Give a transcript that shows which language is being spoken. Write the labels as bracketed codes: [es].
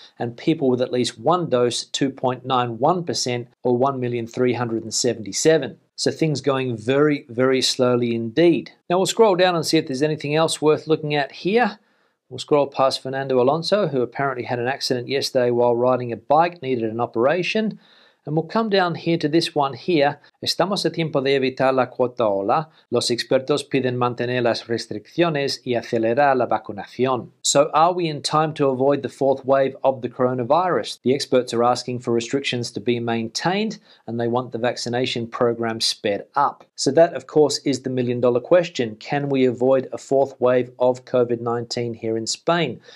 [en] And people with at least one dose, 2.91% or 1,377,000. So things going very, very slowly indeed. Now we'll scroll down and see if there's anything else worth looking at here. We'll scroll past Fernando Alonso, who apparently had an accident yesterday while riding a bike, needed an operation. And we'll come down here to this one here. [es] Estamos a tiempo de evitar la cuarta ola. Los expertos piden mantener las restricciones y acelerar la vacunación. [en] So are we in time to avoid the fourth wave of the coronavirus? The experts are asking for restrictions to be maintained and they want the vaccination program sped up. So that, of course, is the million-dollar question. Can we avoid a fourth wave of COVID-19 here in Spain?